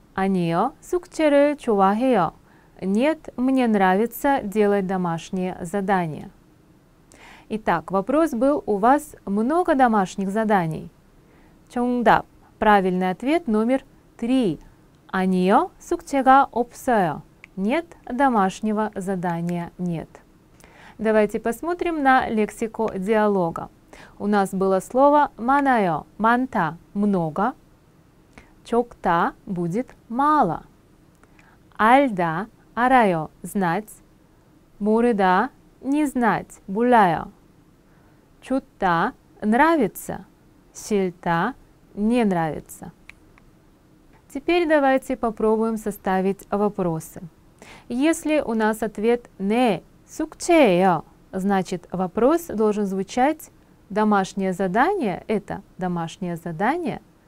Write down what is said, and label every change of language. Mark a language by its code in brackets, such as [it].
[ko] 아니요, 숙제를 좋아해요. [ru] Нет, мне нравится делать домашние задания. Итак, вопрос был: у вас много домашних заданий? [ko] 정답. [ru] Правильный ответ номер 3. [ko] 아니요, 숙제가 없어요. [ru] Нет домашнего задания. Нет. Давайте посмотрим на лексику диалога. У нас было слово 많아요. 많다 много. 적다 будет мало. [ko] 알다 알아요 знать. 모르다 не знать 몰라요. 좋다 нравится. [ru] 싫다 не нравится. Теперь давайте попробуем составить вопросы. Если у нас ответ «не», «сукчэйо», значит вопрос должен звучать «домашнее задание» — это «домашнее задание».